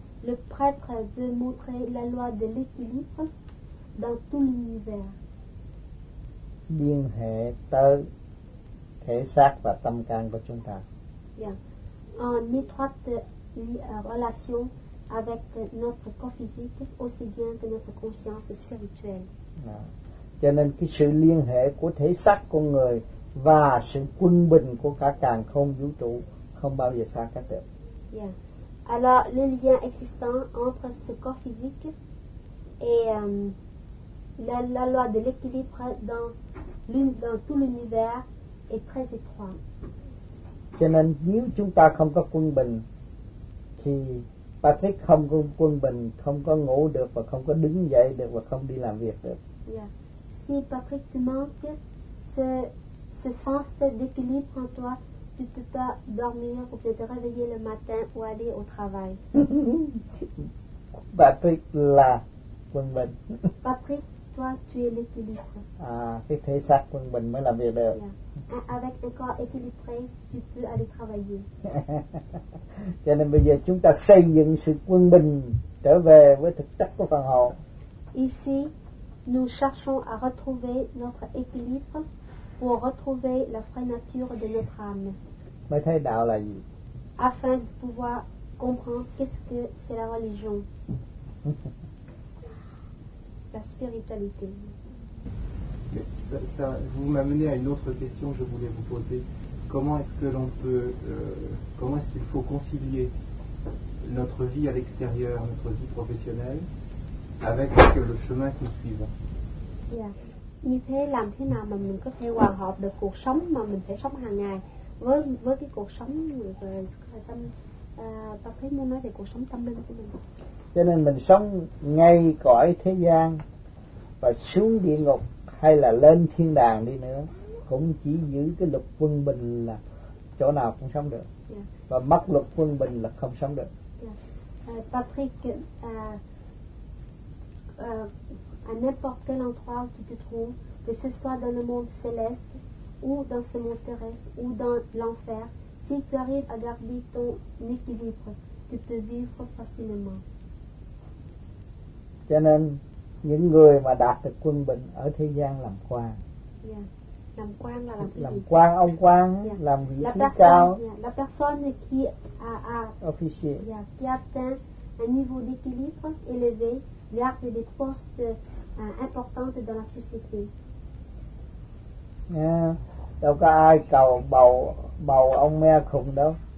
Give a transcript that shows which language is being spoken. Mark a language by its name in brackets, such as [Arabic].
[French] Le prêtre veut montrer la loi de l'équilibre dans tout l'univers. [Vietnamese] Liên hệ tới thể xác và tâm can của chúng ta. [French] En étroite relation avec notre corps physique aussi bien que notre conscience spirituelle. [Vietnamese] Cho nên cái sự liên hệ của thể xác con người và sự quân bình của cả càn khôn vũ trụ không bao giờ xa cách được. [French] Alors le lien existant entre ce corps physique et la loi de l'équilibre dans tout l'univers est très étroit. [Vietnamese] Cho nên nếu chúng ta không có quân bình thì Patrick không có quân bình, không có ngủ được và không có đứng dậy được và không đi làm việc được. [French] Si Patrick tu manques ce sens d'équilibre en toi, tu peux pas dormir ou peut te réveiller le matin ou aller au travail. [Vietnamese] Patrick là quân bình. [French] Patrick, toi tu es l'équilibre. [Vietnamese] Cái thể xác quân bình mới làm việc được. [French] Avec un corps équilibré, tu peux aller travailler. [Vietnamese] Cho nên bây giờ chúng ta xây dựng sự quân bình trở về với thực chất của phần hồn. [French] Ici, nous cherchons à retrouver notre équilibre pour retrouver la vraie nature de notre âme. [Vietnamese] Mới thấy đạo là gì? [French] Afin de pouvoir comprendre qu'est-ce que c'est la religion. La spiritualité. Ça vous m'amenez à une autre question que je voulais vous poser. Comment est-ce qu'il faut concilier notre vie à l'extérieur, notre vie professionnelle, avec le chemin que nous suivons? [Vietnamese] Như thế làm thế nào mà mình có thể hòa hợp được cuộc sống mà mình sẽ sống hàng ngày với cái cuộc sống về tâm, ta thấy muốn nói về cuộc sống tâm linh của mình. Cho nên mình sống ngay cõi thế gian và xuống địa ngục hay là lên thiên đàng đi nữa cũng chỉ giữ cái luật quân bình là chỗ nào cũng sống được. Và mất luật quân bình là không sống được. [French] Patrick, à n'importe quel endroit où tu te trouves, que ce soit dans le monde céleste ou dans ce monde terrestre ou dans l'enfer, si tu arrives à garder ton équilibre, tu peux vivre facilement. [Vietnamese] Cho nên những người mà đạt được quân bình ở thế gian làm quan. Làm quan là làm cái gì? Làm quan, ông quan, làm vị trí la cao. [French] La personne qui a officier. Qui atteint un niveau d'équilibre élevé, garde des postes importantes dans la société. [Vietnamese] Đâu có ai cầu bầu ông mère khùng đâu.